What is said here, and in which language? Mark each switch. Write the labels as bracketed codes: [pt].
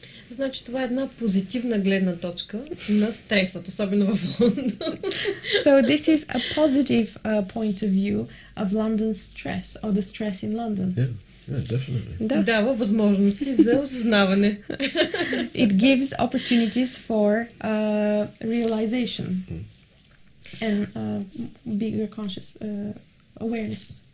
[bg] Значи това е една позитивна гледна точка на стресът, особено в Лондон. [en] So this is a positive point of view of London's stress or the stress in London. Yeah, definitely. [bg] Да. Дава възможности за осъзнаване. [en] It gives opportunities for realization and bigger conscious awareness.